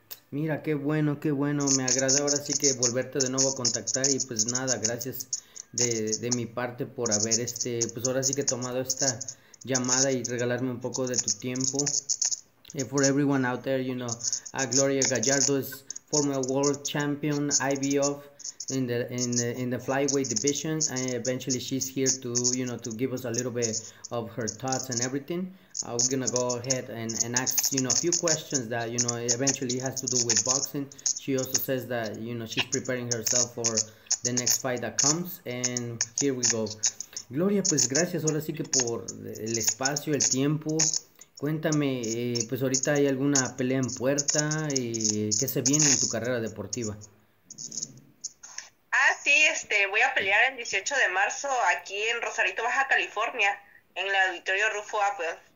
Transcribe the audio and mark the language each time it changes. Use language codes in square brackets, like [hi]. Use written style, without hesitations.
[es] Mira, qué bueno, me agrada ahora sí que volverte de nuevo a contactar y pues nada, gracias de mi parte por haber pues ahora sí que he tomado esta llamada y regalarme un poco de tu tiempo. [en] For everyone out there, you know, Gloria Gallardo is former world champion IBF in the flyweight division. Eventually she's here to, you know, to give us a little bit of her thoughts and everything. I'm gonna go ahead and ask, you know, a few questions that, you know, eventually has to do with boxing. She also says that, you know, she's preparing herself for the next fight that comes. And here we go. [es] Gloria, pues gracias ahora sí que por el espacio, el tiempo. Cuéntame, pues ahorita hay alguna pelea en puerta y qué se viene en tu carrera deportiva. Sí, voy a pelear el 18 de marzo aquí en Rosarito, Baja California, en el Auditorio Rufo Apple.